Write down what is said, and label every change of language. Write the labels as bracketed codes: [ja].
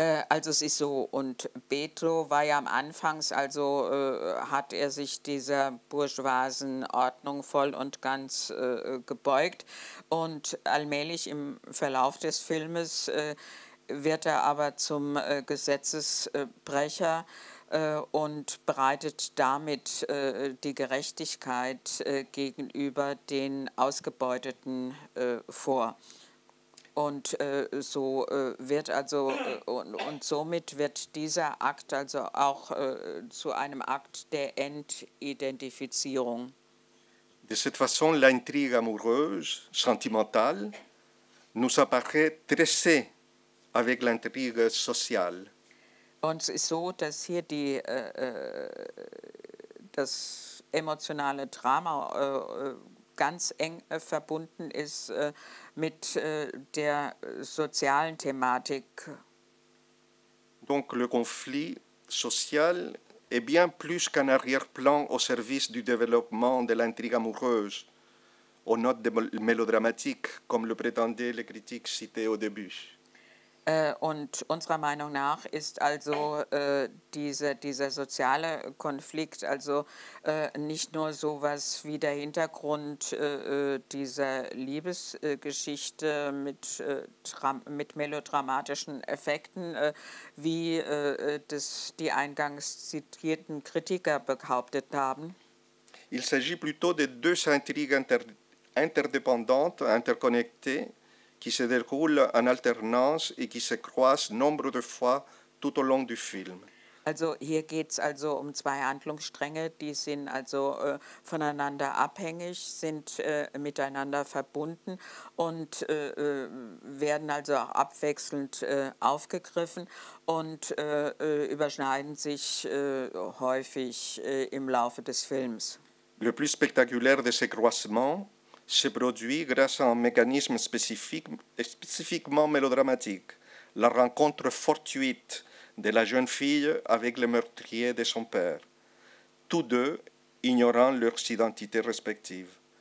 [de] Also es ist so, und Pedro war ja am Anfangs, also hat er sich dieser bourgeoisen Ordnung voll und ganz gebeugt, und allmählich im Verlauf des Filmes wird er aber zum Gesetzesbrecher und bereitet damit die Gerechtigkeit gegenüber den Ausgebeuteten vor. Und so wird also und somit wird dieser Akt also auch zu einem Akt der Entidentifizierung. [fr] De cette façon, l'intrigue amoureuse, sentimentale, nous apparaît tressée avec l'intrigue sociale. [de] Und es ist so, dass hier die das emotionale Drama ganz eng verbunden ist mit der sozialen Thematik. [fr] Donc le conflit social est bien plus qu'un arrière-plan au service du développement de l'intrigue amoureuse, aux notes de mélodramatique, comme le prétendaient les critiques citées au début. [de] Und unserer Meinung nach ist also dieser soziale Konflikt also nicht nur sowas wie der Hintergrund dieser Liebesgeschichte mit melodramatischen Effekten, wie das die eingangs zitierten Kritiker behauptet haben. [fr] Il s'agit plutôt de deux intrigues interdépendantes, interconnectées, qui se déroule en alternance et qui se croise nombre de fois tout au long du film. [de] Also hier geht's also um zwei Handlungsstränge, die sind also voneinander abhängig, sind miteinander verbunden und werden also auch abwechselnd aufgegriffen und überschneiden sich häufig im Laufe des Films. [fr] Le plus spectaculaire de ces croisements se produit grâce à un mécanisme spécifiquement mélodramatique, la rencontre fortuite de la jeune fille avec le meurtrier de son père, tous deux ignorant leurs identités respectives.